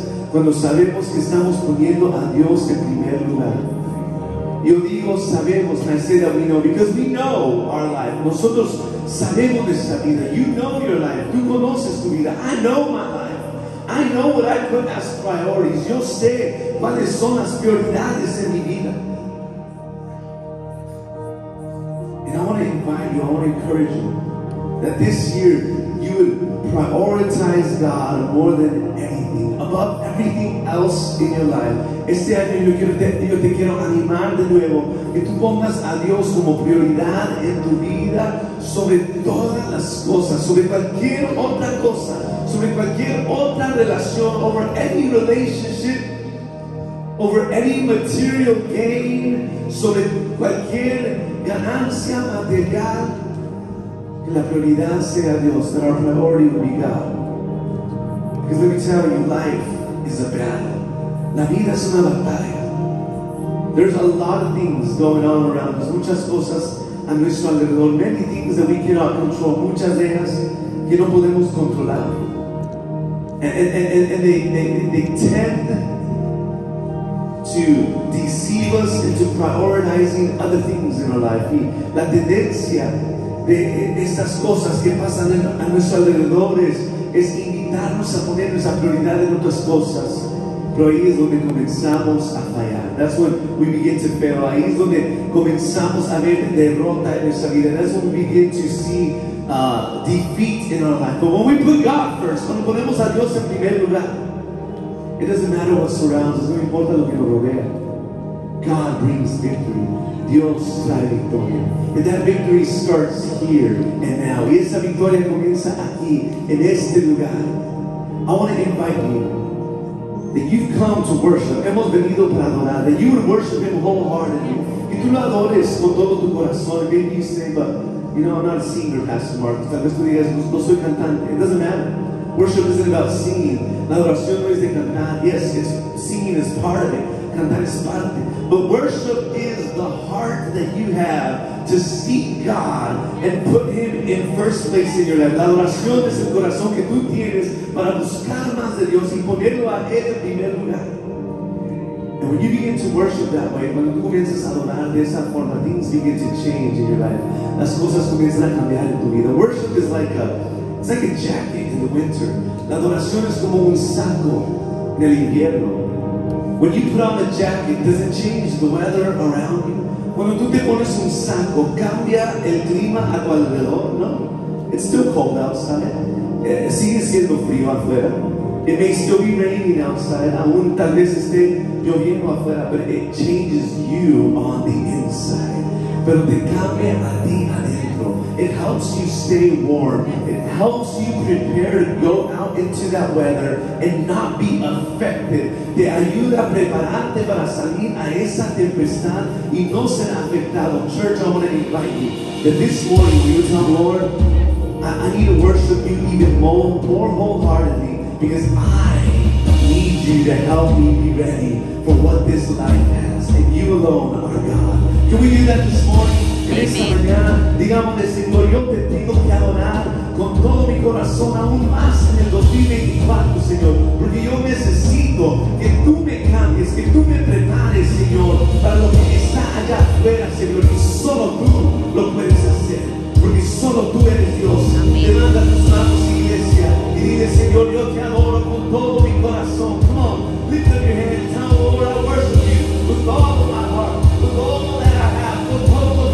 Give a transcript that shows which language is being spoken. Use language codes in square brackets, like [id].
[es] Cuando sabemos que estamos poniendo a Dios en primer lugar. Yo digo sabemos, [en] I say that we know, because we know our life. [es] Nosotros sabemos de esta vida. [en] You know your life. [es] Tú conoces tu vida. [en] I know my life. I know what I put as priorities. [es] Yo sé cuáles son las prioridades de mi vida. [en] And I want to invite you, I want to encourage you, that this year you would prioritize God more than anything, above everything else in your life. [es] Este año yo te quiero animar de nuevo que tú pongas a Dios como prioridad en tu vida sobre todas las cosas, sobre cualquier otra cosa, sobre cualquier otra relación, [en] over any relationship, over any material gain, [es] sobre cualquier ganancia material. Que la prioridad sea Dios, [en] that our priority will be God. Because let me tell you, life is a battle. [es] La vida es una batalla. [en] There's a lot of things going on around us. [es] Muchas cosas a nuestro alrededor. [en] Many things that we cannot control. [es] Muchas de ellas que no podemos controlar. [en] And they tend to deceive us into prioritizing other things in our life. [es] Y la tendencia de estas cosas que pasan a nuestro alrededor es invitarnos a poner nuestra prioridad en otras cosas. Pero ahí es donde comenzamos a fallar. [en] That's when we begin to fail. [es] Ahí es donde comenzamos a ver derrota en nuestra vida. [en] That's when we begin to see defeat in our life. But when we put God first, [es] cuando ponemos a Dios en primer lugar, [en] it doesn't matter what surrounds us, [es] no importa lo que nos rodea. [en] God brings victory. [es] Dios trae victoria. [en] And that victory starts here and now. [es] Y esa victoria comienza aquí, en este lugar. [en] I want to invite you that you've come to worship. [es] Hemos venido para adorar. [en] That you would worship Him wholeheartedly. [es] Que tú lo adores con todo tu corazón. [en] Maybe you say, but you know, I'm not a singer, Pastor Mark. [es] Tal vez tú digas, no soy cantante. [en] It doesn't matter. Worship isn't about singing. [es] La adoración no es de cantar. [en] Yes, yes, singing is part of it. [es] Cantar es parte. [en] But worship is the heart that you have to seek God and put Him in first place in your life. [es] La adoración es el corazón que tú tienes para buscar más de Dios y ponerlo a Él en primer lugar. [en] And when you begin to worship that way, [es] cuando tú comienzas a adorar de esa forma, [en] things begin to change in your life. [es] Las cosas comienzan a cambiar en tu vida. [en] Worship is like a jacket in the winter. [es] La adoración es como un saco en el invierno. [en] When you put on a jacket, does it change the weather around you? [es] Cuando tú te pones un saco, ¿cambia el clima a tu alrededor? [en] No. It's still cold outside. [es] Sigue siendo frío afuera. [en] It may still be raining outside. [es] Aún tal vez esté lloviendo afuera. [en] But it changes you on the inside. [es] Pero te cambia a ti adentro. [en] It helps you stay warm. It helps you prepare to go out into that weather and not be affected. [es] Te ayuda a prepararte para salir a esa tempestad y no ser afectado. [en] Church, I want to invite you that this morning you tell Lord, I need to worship you even more wholeheartedly because I need you to help me be ready for what this life has. And you alone are God. Can we do that this morning? Amen. [es] Esta mañana, digamos, Señor, yo te tengo que adorar con todo mi corazón aún más en el 2024, Señor, porque yo necesito que tú me cambies, que tú me prepares, Señor, para lo que está allá afuera, Señor, y solo tú lo puedes hacer, porque solo tú eres Dios. Amén. Levanta tus manos, iglesia, y dile, Señor, yo te adoro con todo mi corazón. [en] Come on, lift up your hand and tell the Lord, I worship you with all of my heart, with all of my